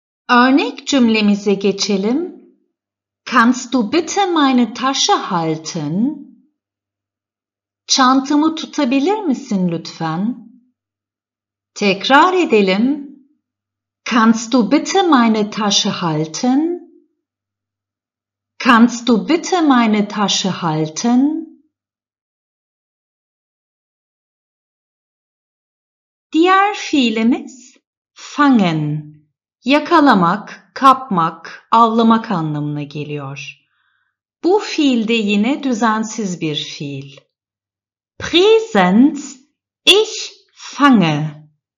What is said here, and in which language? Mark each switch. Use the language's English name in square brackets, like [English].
[Turkish] Örnek cümlemize geçelim. [German] Kannst du bitte meine Tasche halten? [Turkish] Çantamı tutabilir misin lütfen? Tekrar edelim. [German] Kannst du bitte meine Tasche halten? Kannst du bitte meine Tasche halten? [Turkish] Diğer fiilimiz fangen, yakalamak, kapmak, avlamak anlamına geliyor. Bu fiil de yine düzensiz bir fiil. [German] Präsens, ich fange.